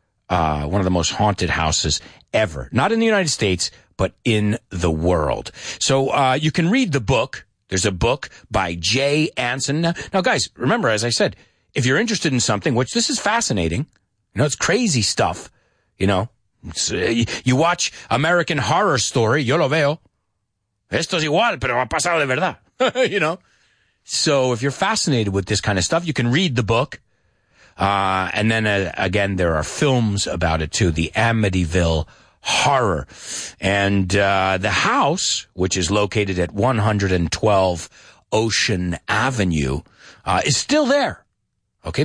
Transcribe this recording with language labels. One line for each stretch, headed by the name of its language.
English: One of the most haunted houses ever. Not in the United States, but in the world. So you can read the book. There's a book by Jay Anson. Now, guys, remember, as I said, if you're interested in something, which this is fascinating, you know, it's crazy stuff. You know, you watch American Horror Story.
Spanish: Yo lo veo. Esto es igual, pero ha pasado de verdad.
English: You know, so if you're fascinated with this kind of stuff, you can read the book. And then again, there are films about it too. The Amityville Horror. And, the house, which is located at 112 Ocean Avenue, is still there. Okay.